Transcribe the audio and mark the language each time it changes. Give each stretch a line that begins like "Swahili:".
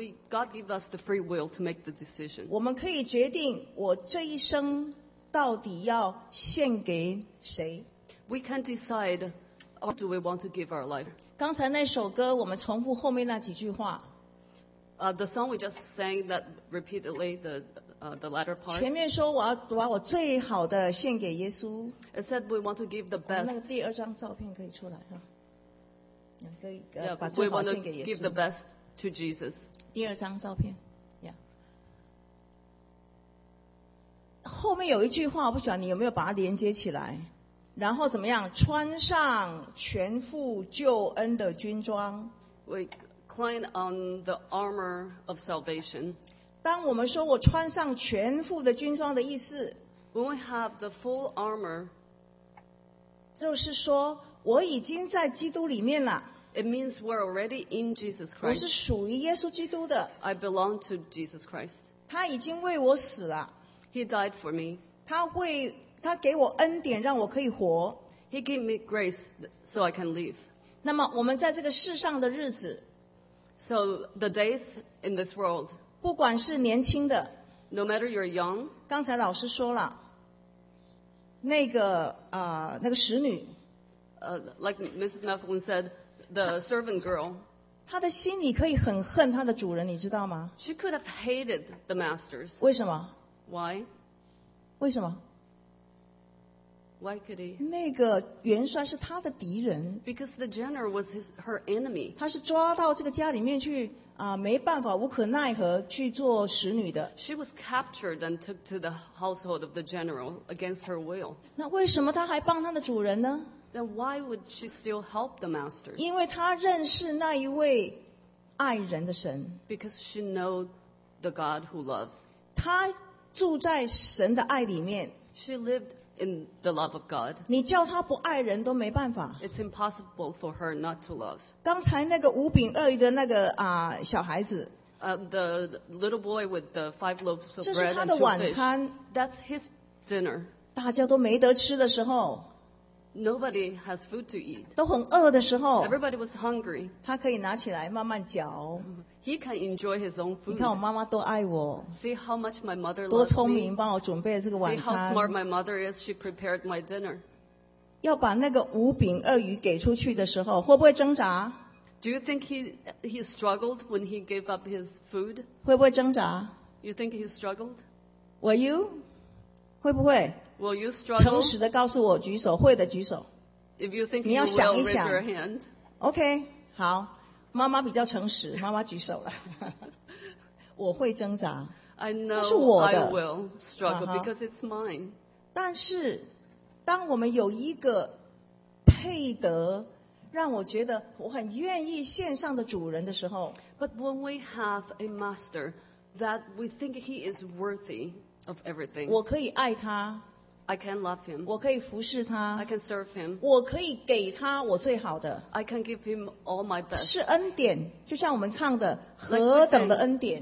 English: God give us the free will to make the decision.
Chinese: 我们可以决定我这一生到底要献给谁。
English: We can decide how do we want to give our life.
Chinese: 刚才那首歌我们重复后面那几句话。
English: The song we just sang that repeatedly, the latter part.
Chinese: 前面说我要把我最好的献给耶稣。
English: It said we want to give the best.
Chinese: 那个第二张照片可以出来哈，可以把最好献给耶稣。
English: We want to give the best to Jesus.
Chinese: 第二张照片 ，Yeah. 后面有一句话，我不晓得你有没有把它连接起来。然后怎么样？穿上全副救恩的军装。
English: Climb on the armor of salvation.
Chinese: 当我们说我穿上全副的军装的意思，
English: When we have the full armor,
Chinese: 就是说我已经在基督里面了。
English: It means we're already in Jesus Christ.
Chinese: 我是属于耶稣基督的。
English: I belong to Jesus Christ.
Chinese: 他已经为我死了。
English: He died for me.
Chinese: 他给我恩典，让我可以活。
English: He gave me grace so I can live.
Chinese: 那么我们在这个世上的日子。
English: So the days in this world.
Chinese: 不管是年轻的。
English: No matter you're young.
Chinese: 刚才老师说了。那个使女。
English: Like Mrs. Malcolm said, the servant girl.
Chinese: 她的心里可以很恨她的主人，你知道吗？
English: She could have hated the masters.
Chinese: 为什么？
English: Why?
Chinese: 为什么？
English: Why could he?
Chinese: 那个元帅是她的敌人。
English: Because the general was her enemy.
Chinese: 她是抓到这个家里面去没办法，无可奈何去做使女的。
English: She was captured and took to the household of the general against her will.
Chinese: 那为什么她还帮她的主人呢？
English: Then why would she still help the master?
Chinese: 因为她认识那一位爱人的神。
English: Because she know the God who loves.
Chinese: 她住在神的爱里面。
English: She lived in the love of God.
Chinese: 你叫她不爱人都没办法。
English: It's impossible for her not to love.
Chinese: 刚才那个五饼二鱼的那个小孩子。
English: The little boy with the five loaves of bread and two fish.
Chinese: 这是他的晚餐。
English: That's his dinner.
Chinese: 大家都没得吃的时候。
English: Nobody has food to eat.
Chinese: 都很饿的时候。
English: Everybody was hungry.
Chinese: 他可以拿起来慢慢嚼。
English: He can enjoy his own food.
Chinese: 你看我妈妈多爱我。
English: See how much my mother loves me.
Chinese: 多聪明，帮我准备了这个晚餐。
English: See how smart my mother is. She prepared my dinner.
Chinese: 要把那个五饼二鱼给出去的时候，会不会挣扎？
English: Do you think he struggled when he gave up his food?
Chinese: 会不会挣扎？
English: You think he struggled? Were you?
Chinese: 会不会？
English: Will you struggle?
Chinese: 诚实的告诉我，举手，会的举手。
English: If you think
Chinese: 你要想一想。
English: Raise your hand.
Chinese: OK, 好，妈妈比较诚实，妈妈举手了。我会挣扎。
English: I know
Chinese: 那是我的。
English: I will struggle because it's mine.
Chinese: 但是，当我们有一个配得让我觉得我很愿意献上的主人的时候。
English: But when we have a master that we think he is worthy of everything.
Chinese: 我可以爱他。
English: I can love him.
Chinese: 我可以服侍他。
English: I can serve him.
Chinese: 我可以给他我最好的。
English: I can give him all my best.
Chinese: 是恩典，就像我们唱的，何等的恩典。